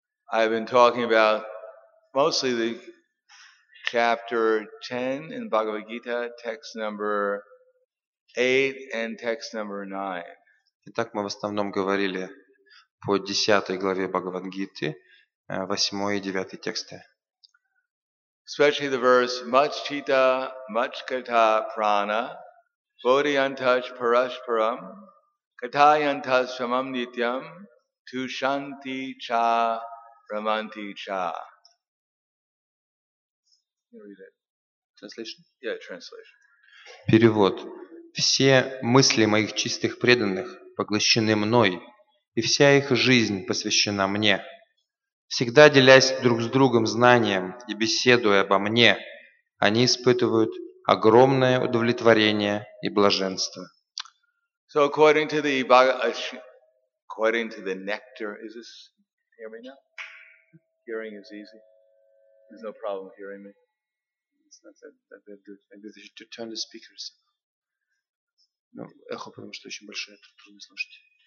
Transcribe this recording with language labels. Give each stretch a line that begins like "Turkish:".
English: I've been talking about mostly the chapter 10 in the Bhagavad Gita, text number 8 and text number 9.
Russian: Итак, мы в основном говорили по 10 главе Бхагавад-гиты, 8 и 9 тексты.
Sanskrit: Especially the verse much chitta much kata prana bodhiyantach parashparam katayantas samam nityam tu shanti cha ramanti cha.
English: Translation.
Russian: Перевод. Все мысли моих чистых преданных поглощены мной, и вся их жизнь посвящена мне. Всегда делясь друг с другом знанием и беседуя обо мне, они испытывают огромное удовлетворение и блаженство.
English: So according to the nectar, is this hear me now? Hearing is easy. There's no problem hearing me. Maybe they should turn the speakers.
Russian: No, эхо, потому что очень большое, тут трудно слушать.